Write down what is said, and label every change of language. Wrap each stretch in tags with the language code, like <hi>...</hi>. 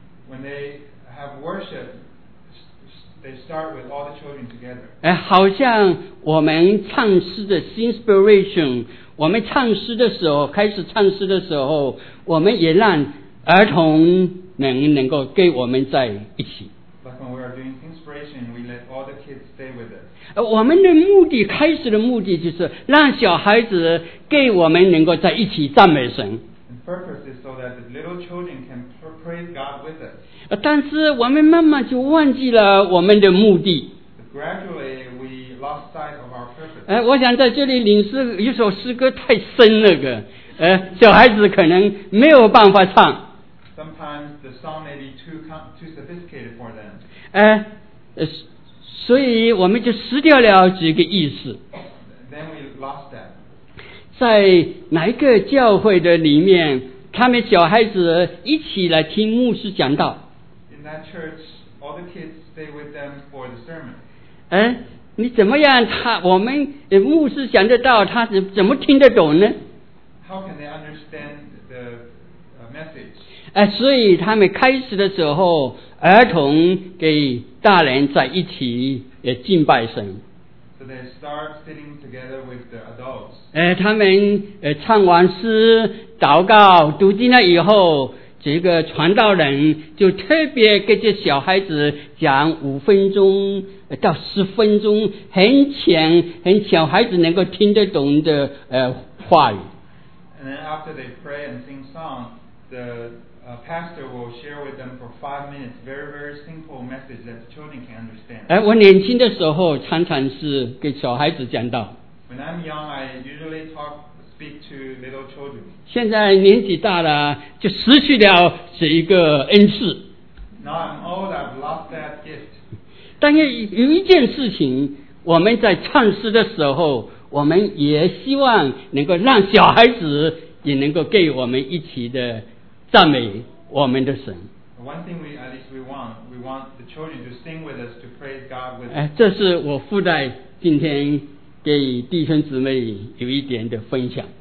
<en>When they have worship, they start with all the children together.</en> <zh>好像我们唱诗的 inspiration， 我们唱诗的时候，开始唱诗的时候，我们也让儿童能够跟我们在一起。</zh> <en>Like when we are doing inspiration, we let all the kids stay with us.</en> <zh>我们的目的，开始的目的就是让小孩子跟我们能够在一起赞美神。</zh> <en>The purpose is so that the little children can praise God with us.</en> <zh>但是我们慢慢就忘记了我们的目的。</zh> <en>But gradually, we lost sight of our purpose.</en> <zh>我想在这里领诗，一首诗歌太深了个，小孩子可能没有办法唱。</zh> <en>Sometimes the song may be too sophisticated for them.</en> <zh>所以我们就失掉了这个意思。</zh> <en>Then we lost that.</en> <zh>在哪一个教会的里面，他们小孩子一起来听牧师讲道。</zh> <en>In that church, all the kids stay with them for the sermon.</en> <zh>你怎么样？我们牧师讲的道，他怎么听得懂呢？</zh> <en>How can they understand the message?</en> <zh>所以他们开始的时候，儿童给大人在一起也敬拜神。</zh> <en>So they start sitting together with the adults.</en> <zh>他们唱完诗、祷告、读经了以后，这个传道人就特别跟这小孩子讲五分钟到十分钟，很浅、很小孩子能够听得懂的话语。</zh> <en>And then after they pray and sing song, the pastor will share with them for 5 minutes, very, very simple message that children can understand.</en> <zh>我年轻的时候常常是给小孩子讲道。</zh> <en>When I'm young, I usually speak to little children.</en> <zh>现在年纪大了，就失去了这一个恩赐。</zh> <en>Now I'm old, I've lost that gift.</en> <zh>但是有一件事情，我们在唱诗的时候，我们也希望能够让小孩子也能够给我们一起的赞美我们的神。</zh> <en>One thing we at least we want the children to sing with us to praise God with us.</en> <zh>这是我附带今天给弟兄姊妹有一点的分享。</zh>